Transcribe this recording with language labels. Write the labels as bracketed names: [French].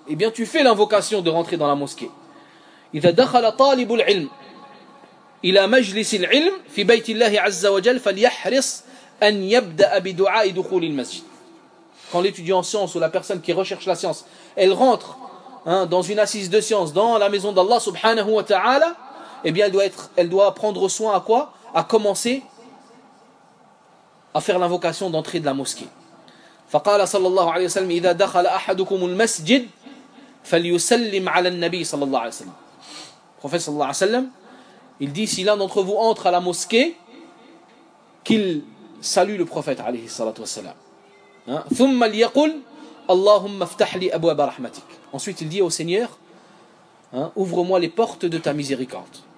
[French] Eh bien, tu fais l'invocation de rentrer dans la mosquée. [Arabic] Idha dakhala talib al-'ilm ila majlis al-'ilm fi bayt Allah 'azza wa jalla falyahris أن يبدأ بدعاء دخول المسجد. [French] Quand l'étudiant en science ou la personne qui recherche la science, elle rentre dans une assise de science, dans la maison d'Allah subhanahu wa ta'ala, elle doit prendre soin à quoi? À commencer à faire l'invocation d'entrée de la mosquée. [Arabic] فقال صلى الله عليه وسلم: إذا دخل أحدكم المسجد فليسلم على النبي صلى الله عليه وسلم. [French] prophète sallallahu alayhi wa sallam, il dit, si l'un d'entre vous entre à la mosquée, qu'il salue le prophète alayhi salatu wa salam. [Arabic] Thumma liyakul, Allahumma ftahli abu abba rahmatik. [French] Ensuite il dit au Seigneur, ouvre-moi les portes de ta miséricorde.